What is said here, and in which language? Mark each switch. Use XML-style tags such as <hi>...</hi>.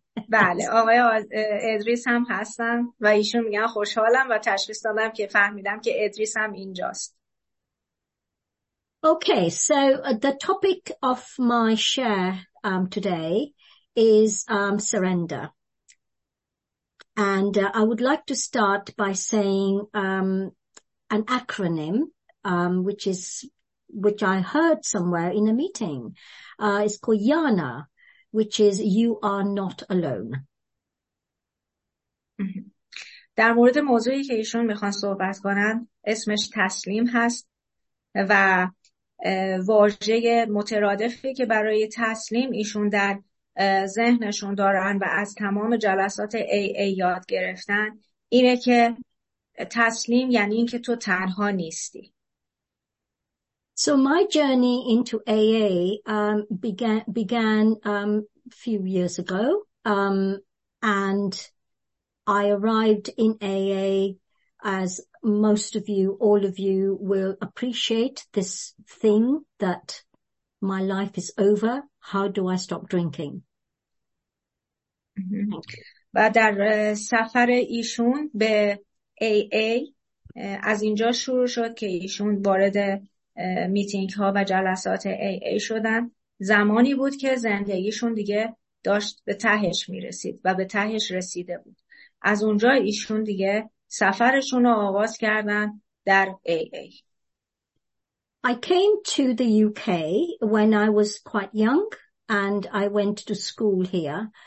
<fa>بله، آقای ادریس هم هستم و ایشون میگن خوشحالم و تشخیص دادم که فهمیدم که ادریس هم اینجاست.</fa> <en>Okay, so the topic of my share today is surrender. And I would like to start by saying an acronym which I heard somewhere in a meeting. It's called YANA, which is you are not alone.</en> <fa>در مورد موضوعی که ایشون میخوان صحبت کنن اسمش تسلیم هست و واژه مترادفی که برای تسلیم ایشون در ذهنشون دارن و از تمام جلسات AA یاد گرفتن اینه که تسلیم یعنی اینکه تو تنها نیستی.</fa> <en>So my journey into AA began few years ago, and I arrived in AA, as most of you, all of you will appreciate this thing that my life is over. How do I stop drinking?</en> <fa>و در سفر ایشون به AA از اینجا شروع شد که ایشون وارد میتینگ ها و جلسات AA شدن. زمانی بود که زندگیشون دیگه داشت به تهش میرسید و به تهش رسیده بود. از اونجا ایشون دیگه سفرشون رو آغاز کردن در AA.</fa> <en>I came to the UK when I was quite young and I went to school here.</en>